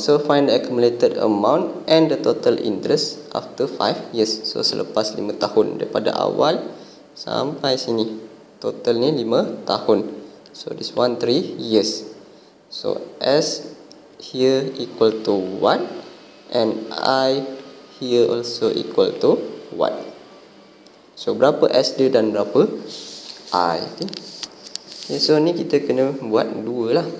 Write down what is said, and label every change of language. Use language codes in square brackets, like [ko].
[en] So find the accumulated amount and the total interest after 5 years. [ms] So selepas 5 tahun daripada awal sampai sini. Total ni 5 tahun. [en] So this one 3 years. So S here equal to 1 and I here also equal to 1. [ms] So berapa S dia dan berapa I? Okay. Okay, so ni kita kena buat 2 lah.